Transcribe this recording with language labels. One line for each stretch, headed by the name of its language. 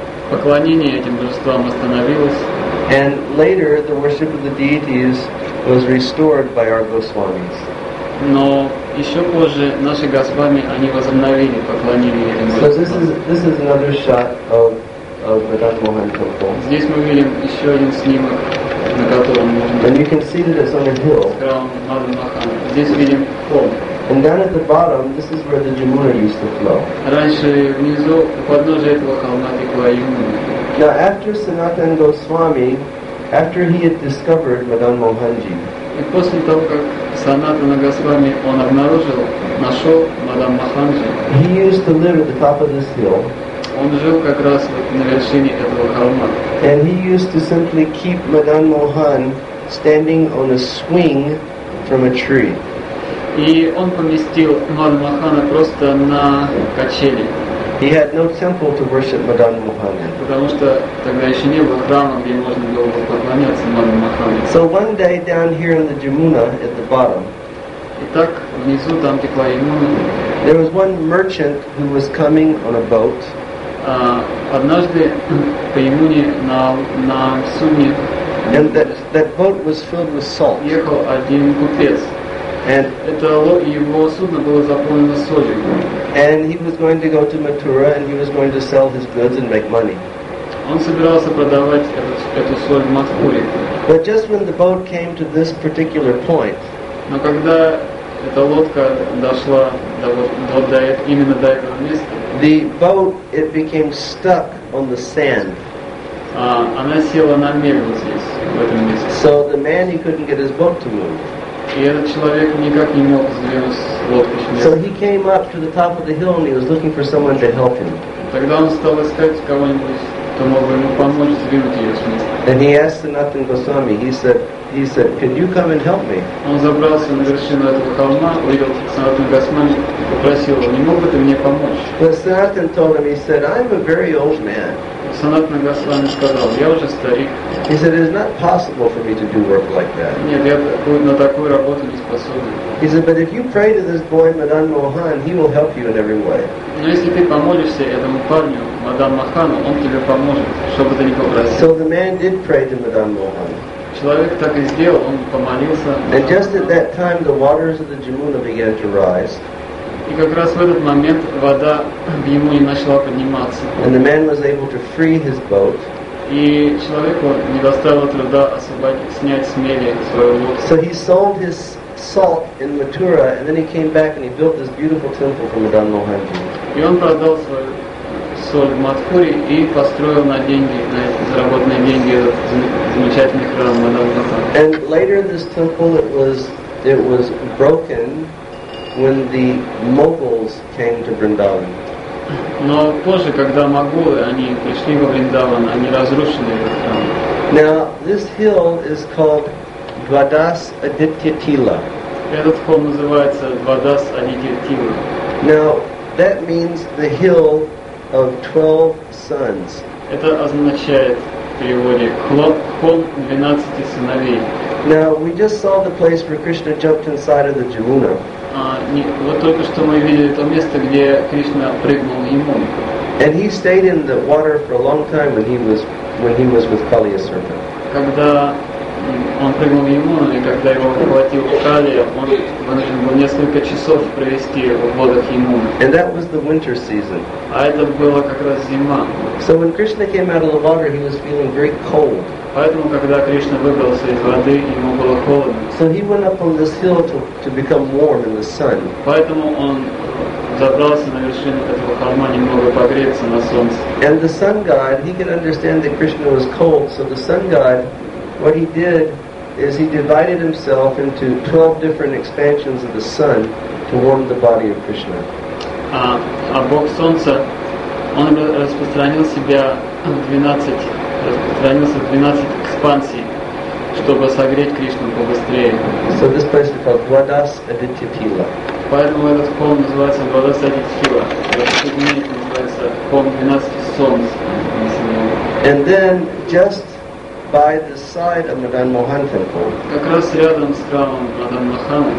Russian: Поклонение этим божествам остановилось.
English: And later, the worship of the deities was restored by our Goswamis.
Russian: Но еще позже наши Госвами они возобновили поклонение этим божествам.
English: So this is another shot of Madan Mohan Temple.
Russian: Здесь мы видим еще один снимок, на котором можно.
English: And you can see that it's on a hill.
Russian: Здесь видим холм.
English: And down at the bottom, this is where the Jamuna used to flow.
Russian: Раньше внизу у подножия этого холма текла Ямуна.
English: Now after Sanatana Goswami, after he had discovered Madan Mohanji.
Russian: И после того как Санатана Госвами он обнаружил, нашел Мадан Моханджи.
English: He used to live at the top of this hill.
Russian: Он жил как раз вот на вершине этого холма.
English: And he used to simply keep Madan Mohan standing on a swing from a tree.
Russian: И он поместил Мадан Мохана просто на качели.
English: He had no temple to worship Madan Mohan.
Russian: Потому что тогда еще не было храма, где можно было бы поклоняться Мадан Мохану.
English: So one day down here in the Jamuna at the bottom.
Russian: Итак, внизу там текла Ямуна.
English: There was one merchant who was coming on a boat.
Russian: Однажды по Ямуне на судне.
English: And that boat was filled with salt.
Russian: Ехал один купец.
English: And
Russian: это его судно было заполнено солью.
English: And he was going to go to Mathura, and he was going to sell his goods and make money.
Russian: Он собирался продавать эту соль в Матхуре.
English: But just when the boat came to this particular point,
Russian: но когда эта лодка дошла до именно до этого места.
English: The boat, it became stuck on the sand.
Russian: Она села на мель вот здесь, в этом месте.
English: So the man, he couldn't get his boat to move.
Russian: И этот человек никак не мог сдвинуть лодку с места.
English: So he came up to the top of the hill and he was looking for someone to help him.
Russian: Тогда он стал искать кого-нибудь, кто мог бы ему помочь сдвинуть ее с места.
English: And he asked the Natan Goswami, he said, could you come and help me?
Russian: Он забрался на вершину этого холма, увидел Санатан Госвами, попросил его, не мог бы ты мне помочь?
English: But Sanatan told him, he said, I'm a very old man.
Russian: Санатан Госвами сказал, я уже старик.
English: He said, it's not possible for me to do work like that.
Russian: Нет, я на такую работу не способен.
English: He said, but if you pray to this boy, Madan Mohan, he will help you in every way.
Russian: Но если ты помолишься этому парню, Мадан Махану, он тебе поможет, что бы ты ни попросил.
English: So the man did pray to Madan Mohan.
Russian: Человек так и сделал, он помолился.
English: And just at that time, the waters of the Jamuna began to rise.
Russian: И как раз в этот момент вода в Ямуне начала подниматься.
English: And the man was able to free his boat.
Russian: И человеку не доставило труда освободить, снять с мели свою лодку.
English: So he sold his salt in Mathura, and then he came back and he built this beautiful temple for Madan Mohan.
Russian: И он продал свою соль в Матхуре и построил на деньги, на заработанные деньги этот замечательный храм Мадан Мохан.
English: And later this temple it was broken when the Mughals came to Vrindavan.
Russian: Но позже, когда Могулы, они пришли во Вриндаван, они разрушили этот храм.
English: Now this hill is called Dvadas Aditya Tila.
Russian: Этот холм называется Dvadas Aditya Tila.
English: Now that means the hill of 12 sons.
Russian: Это означает в переводе холм 12 сыновей.
English: Now we just saw the place where Krishna jumped inside of the Jamuna.
Russian: Вот только что мы видели то место, где Кришна прыгнул в Ямуну.
English: And he stayed in the water for a long time when he was with Kaliya's serpent.
Russian: Когда он прыгнул в Ямуну и когда его охватил Калия, он вынужден был несколько часов провести в водах Ямуны.
English: And that was the winter season.
Russian: А это было как раз зима.
English: So when Krishna came out of the water, he was feeling very cold.
Russian: Поэтому, когда Кришна выбрался из воды, ему было холодно.
English: So he went up on this hill to become warm in the sun.
Russian: Поэтому он забрался на вершину этого холма немного погреться на солнце.
English: And the sun god, he could understand that Krishna was cold, so the sun god, what he did is he divided himself into 12 different expansions of the sun to warm the body of Krishna.
Russian: А бог солнца, он распространил себя в 12 распространился в 12 экспансий, чтобы согреть Кришну побыстрее.
English: So this place is called Dvadas Aditya Tila.
Russian: Поэтому этот холм называется Dvadas Aditya Tila. Этот холм называется холм 12 солнц.
English: And then just by the side of Madan Mohan temple.
Russian: Как раз рядом с храмом Мадан Мохан.